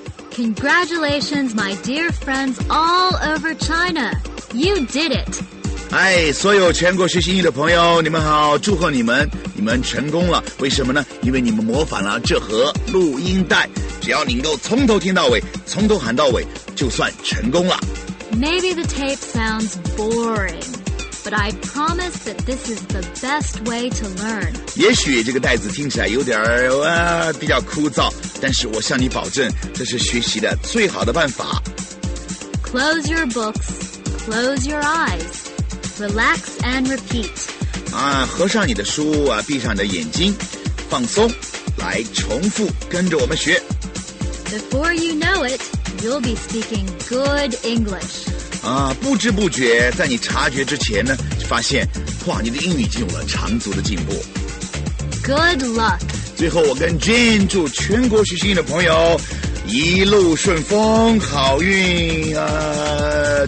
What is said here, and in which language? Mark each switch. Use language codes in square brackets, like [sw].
[en] Congratulations, my dear friends all over China. You did it. [zh] 哎，所有全国学习英语的朋友，你们好，祝贺你们，你们成功了。为什么呢？因为你们模仿了这盒录音带，只要你能够从头听到尾，从头喊到尾，就算成功了。 [en] Maybe the tape sounds boring, but I promise that this is the best way to learn. [zh] 也许这个袋子听起来有点比较枯燥。但是我向你保证，这是学习的最好的办法。 [en] Close your books, close your eyes, relax and repeat. [zh] 啊，合上你的书啊，闭上你的眼睛，放松，来重复，跟着我们学。 [en] Before you know it, you'll be speaking good English. [zh] 啊，不知不觉，在你察觉之前呢，就发现，哇，你的英语进入了长足的进步。 [en] Good luck. [zh] 最后，我跟 Jane 祝全国学习英语的朋友一路顺风，好运啊！